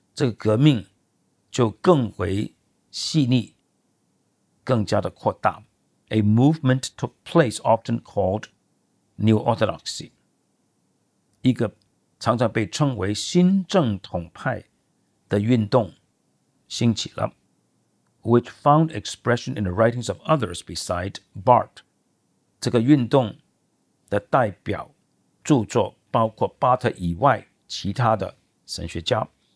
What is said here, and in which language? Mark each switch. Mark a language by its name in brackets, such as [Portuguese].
[Chinese] 这个革命就更为细腻，更加的扩大。 [English] A movement took place often called Neo-Orthodoxy. [Chinese] 一个常常被称为新正统派的运动兴起了。 [English] Which found expression in the writings of others beside Bart. [Chinese] 这个运动的代表著作包括巴特以外其他的神学家。